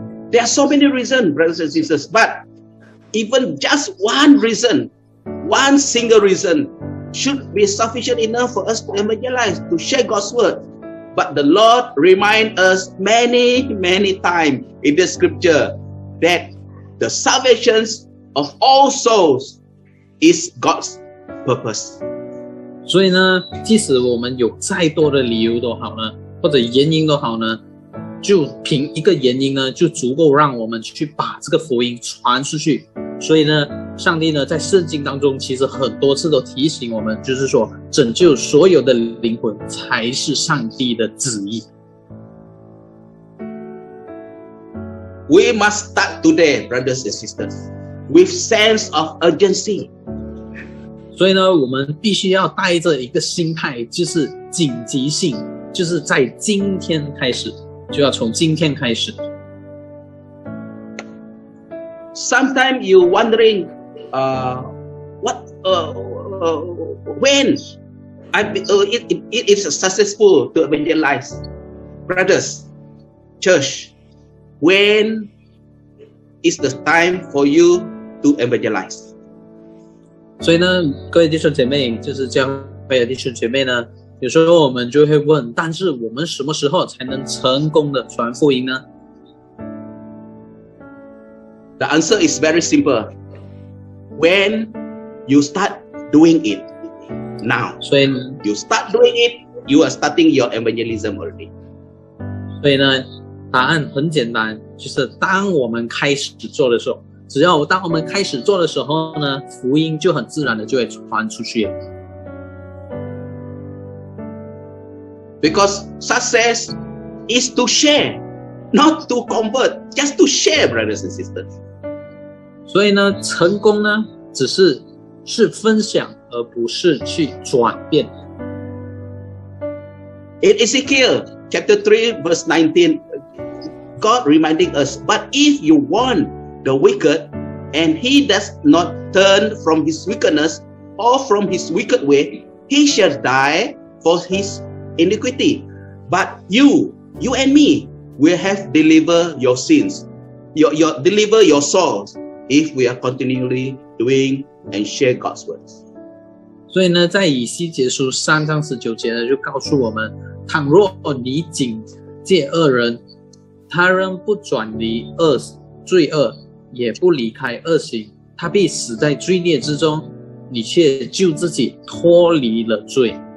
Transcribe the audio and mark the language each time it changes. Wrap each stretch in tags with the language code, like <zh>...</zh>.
<en>There are so many reasons, brothers and sisters, but even just one reason, one single reason, should be sufficient enough for us to evangelize, to share God's word. But the Lord reminds us many, many times in the scripture that the salvation of all souls is God's purpose.</en> <zh>所以呢，即使我们有再多的理由都好呢。或者原因都好呢，就凭一个原因呢，就足够让我们去把这个福音传出去。所以呢，上帝呢在圣经当中其实很多次都提醒我们，就是说拯救所有的灵魂才是上帝的旨意。</zh> <en>We must start today, brothers and sisters, with sense of urgency.</en> <zh>所以呢，我们必须要带着一个心态，就是紧急性，就是在今天开始，就要从今天开始。</zh> <en>Sometimes you wondering, when it is successful to evangelize, brothers, church, when is the time for you to evangelize?</en> <zh>所以呢，各位弟兄姐妹，就是教会的弟兄姐妹呢，有时候我们就会问，但是我们什么时候才能成功的传福音呢？</zh> <en>The answer is very simple. When you start doing it now. So when you start doing it, you are starting your evangelism already.</en> <zh>所以呢，答案很简单，就是当我们开始做的时候，只要当我们开始做的时候呢，福音就很自然的就会传出去。</zh> <en>Because success is to share, not to convert, just to share, brothers and sisters.</en> <zh>所以呢，成功呢，只是是分享，而不是去转变。</zh> <en>In Ezekiel chapter 3 verse 19, God reminding us, but if you warn the wicked, and he does not turn from his wickedness or from his wicked way, he shall die for his iniquity. But you and me, will have deliver your sins, your deliver your souls, if we are continually doing and share God's words.</en> <zh>所以呢，在以西结书三章十九节呢，就告诉我们，倘若你警戒恶人，他仍不转离恶罪恶，也不离开恶行，他必死在罪孽之中，你却救自己脱离了罪。</zh>